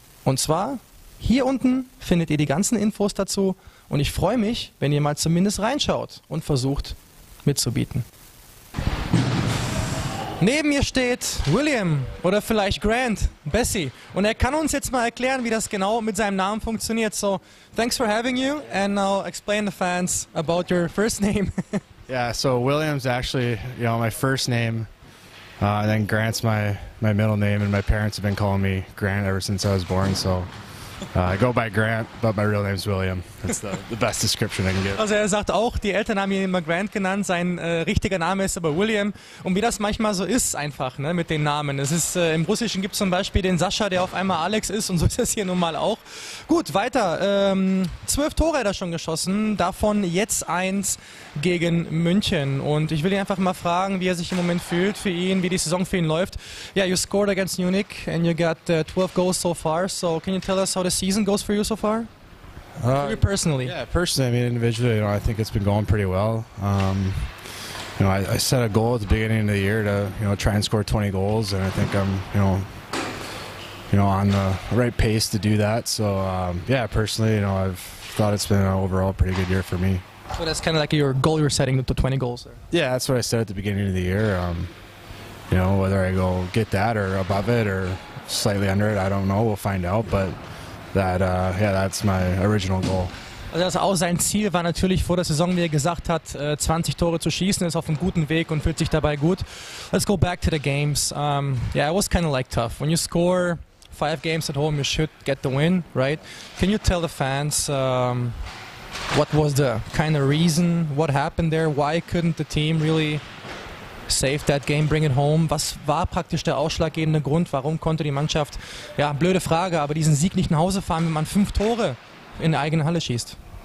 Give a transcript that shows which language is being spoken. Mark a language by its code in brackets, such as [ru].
[de] Und zwar, hier unten findet ihr die ganzen Infos dazu, und ich freue mich, wenn ihr mal zumindest reinschaut und versucht mitzubieten. Neben mir steht William oder vielleicht Grant Bessie, und er kann uns jetzt mal erklären, wie das genau mit seinem Namen funktioniert. [en] So, thanks for having you, and now explain the fans about your first name. Yeah, so William's actually, you know, my first name. And then Grant's my middle name, and my parents have been calling me Grant ever since I was born, so I go by Grant, but my real name's William. That's the best description I can give. [de] Also er sagt auch, die Eltern haben ihn immer Grant genannt, sein richtiger Name ist aber William. Und wie das manchmal so ist einfach, ne, mit den Namen. Es ist, im Russischen gibt es zum Beispiel den Sascha, der auf einmal Alex ist, und so ist das hier nun mal auch. Gut, weiter. 12 Tore hat er schon geschossen, davon jetzt 1 gegen München. Und ich will ihn einfach mal fragen, wie er sich im Moment fühlt für ihn, wie die Saison für ihn läuft. [en] Yeah, you scored against Munich and you got 12 goals so far. So can you tell us how the season goes for you so far? Personally, yeah, personally, I mean, individually, you know, I think it's been going pretty well. I set a goal at the beginning of the year to, try and score 20 goals, and I think I'm, on the right pace to do that. So, personally, I've thought it's been an overall pretty good year for me. So that's kind of like your goal you're setting, the 20 goals there? Yeah, that's what I said at the beginning of the year. Whether I go get that or above it or slightly under it, I don't know. We'll find out. But that, that's my original goal. [de] Also das auch sein Ziel war natürlich vor der Saison, wie er gesagt hat, 20 Tore zu schießen. Er ist auf einem guten Weg und fühlt sich dabei gut. [en] Let's go back to the games. It was kind of like tough. When you score 5 games at home, you should get the win, right? Can you tell the fans what was the kind of reason? What happened there? Why couldn't the team really save that game, bring it home? [de] Was war praktisch der ausschlaggebende Grund? Warum konnte die Mannschaft, ja, blöde Frage, aber diesen Sieg nicht nach Hause fahren, wenn man 5 Tore in der eigenen Halle schießt?